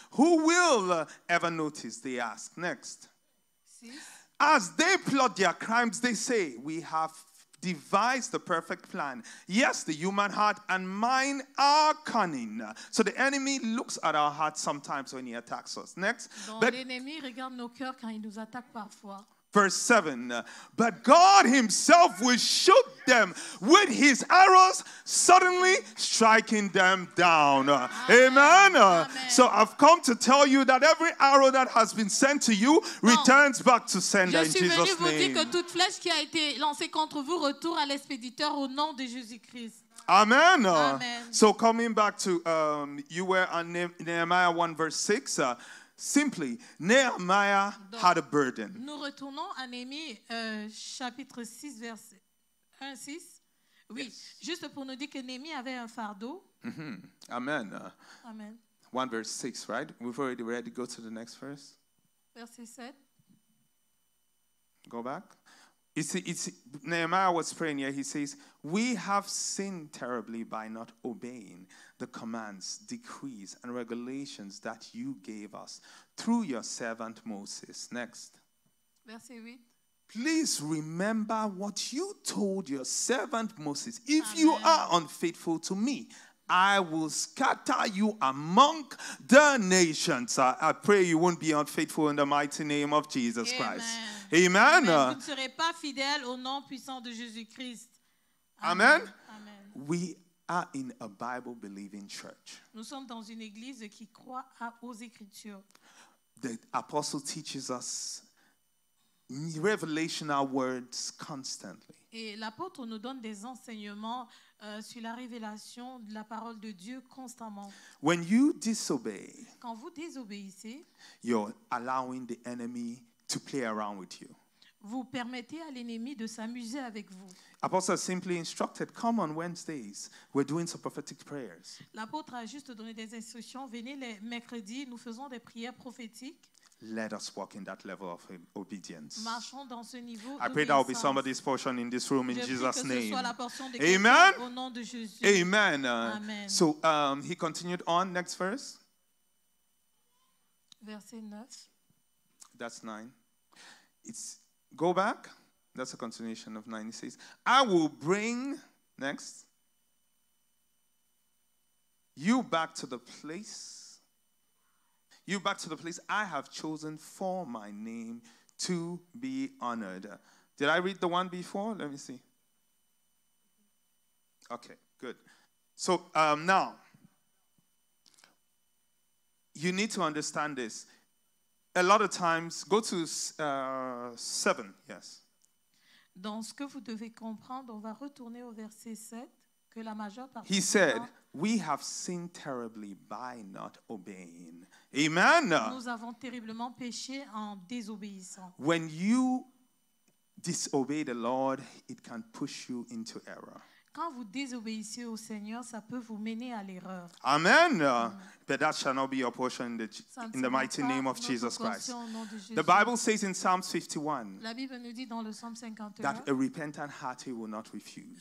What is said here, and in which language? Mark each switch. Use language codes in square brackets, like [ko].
[en] Who will ever notice? They ask. Next. Six. As they plot their crimes, they say, we have devise the perfect plan. Yes, the human heart and mind are cunning. So the enemy looks at our hearts sometimes when he attacks us. Next. [fr] Donc, l'ennemi regarde nos cœurs quand il nous attaque parfois. [en] Verse 7. But God himself will shoot them with his arrows, suddenly striking them down. Amen. Amen. So I've come to tell you that every arrow that has been sent to you returns back to sender in Jesus' name. [fr] Je suis venu vous dire que toute flèche qui a été lancée contre vous retourne à l'expéditeur au nom de Jésus-Christ. [en] Amen. Amen. So coming back to you were on Nehemiah 1 verse 6. Simply, Nehemiah [fr] Donc, [en] had a burden. [fr] Nous retournons à Néhémie, chapitre 6, verset 1-6. Oui, [en] yes. [fr] Juste pour nous dire que Néhémie avait un fardeau. [en] Mm-hmm. Amen. Amen. 1 verse 6, right? We've already read. Go to the next verse. [fr] Verset 7. [en] Go back. It's Nehemiah was praying here. He says, we have sinned terribly by not obeying the commands, decrees, and regulations that you gave us through your servant Moses. Next. Verse 8. Please remember what you told your servant Moses. If Amen. You are unfaithful to me, I will scatter you among the nations. I pray you won't be unfaithful in the mighty name of Jesus Amen. Christ. Amen. [fr] Mais vous ne serez pas fidèles au nom puissant de Jésus-Christ. [en] Amen. Amen. We are in a Bible-believing church. [fr] Nous sommes dans une église qui croit aux Écritures. [en] The apostle teaches us revelational words constantly. [fr] Et l'apôtre nous donne des enseignements sur la révélation de la parole de Dieu constamment. [en] When you disobey, [fr] quand vous désobéissez, [en] you're allowing the enemy to play around with you. [fr] Vous permettez à l'ennemi de s'amuser avec vous. [en] Apostle simply instructed, come on Wednesdays, we're doing some prophetic prayers. [fr] L'apôtre a juste donné des instructions, venez les mercredis, nous faisons des prières prophétiques. [en] Let us walk in that level of obedience. [fr] Marchons dans ce niveau. [en] I pray that will be somebody's portion in this room in [fr] Je [en] Jesus' [fr] que [en] name. [fr] Ce soit la portion de [en] Amen. [fr] Au nom de Jésus. [en] Amen. Amen. So he continued on, next verse. [fr] Verset [en] 9. That's 9. It's go back. That's a continuation of 9. It says, I will bring, next, you back to the place I have chosen for my name to be honored. Did I read the one before? Let me see. Okay, good. So now, you need to understand this. A lot of times, go to 7, yes. [fr] Dans ce que vous devez comprendre, on va retourner au verset 7, que la majeure partie... [en] He said, we have sinned terribly by not obeying. Amen. [fr] Nous avons terriblement péché en désobéissant. [en] When you disobey the Lord, it can push you into error. [fr] Quand vous désobéissez au Seigneur, ça peut vous mener à l'erreur. [en] Amen. But that shall not be your portion in the mighty name of Jesus Christ. The Bible says in Psalms 51, [fr] la Bible nous dit dans le Psalm 51 [en] that a repentant heart he will not refuse.